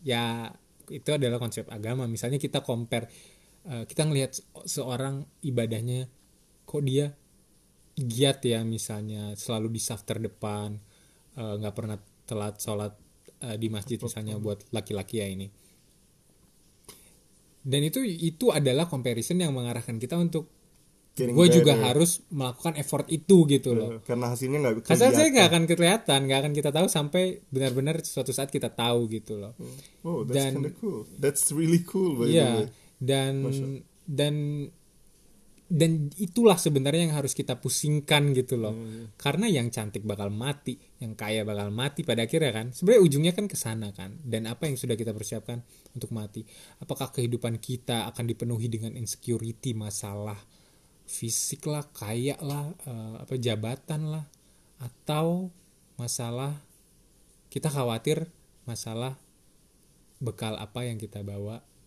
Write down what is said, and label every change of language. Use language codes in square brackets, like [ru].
[id] Ya itu adalah konsep agama. Misalnya kita compare, kita ngelihat seorang ibadahnya kok dia giat ya, misalnya selalu di saf terdepan, nggak pernah telat sholat di masjid misalnya buat laki-laki ya ini, dan itu adalah comparison yang mengarahkan kita untuk gue juga harus melakukan effort itu gitu loh, karena hasilnya nggak kelihatan, hasilnya nggak akan kelihatan, nggak akan kita tahu sampai benar-benar suatu saat kita tahu gitu loh. [en] Oh, that's [id] dan, [en] kinda cool, that's really cool by yeah, the way. [id] Dan itulah sebenarnya yang harus kita pusingkan gitu loh. Yeah. Karena yang cantik bakal mati, yang kaya bakal mati pada akhirnya kan. Sebenarnya ujungnya kan kesana kan. Dan apa yang sudah kita persiapkan untuk mati? Apakah kehidupan kita akan dipenuhi dengan insecurity, masalah fisik lah, kaya lah, apa jabatan lah, atau masalah kita khawatir masalah bekal apa yang kita bawa